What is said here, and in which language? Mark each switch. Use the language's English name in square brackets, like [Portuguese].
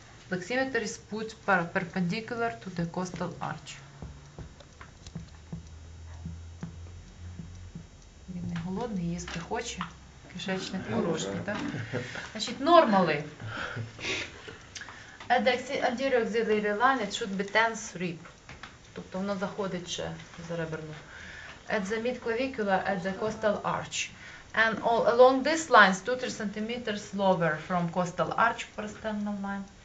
[English] Flexometer is put perpendicular to the costal arch. [Ukrainian] Він не голодний, їсти хоче. Кишечник хороший, так? Значить, [English] normally. At the anterior axillary line it should be tense rib. [Ukrainian] Тобто воно заходить ще за реберну. [English] At the midclavicular, at the costal arch. And all along these lines, 2-3 cm lower from costal arch, parasternal line.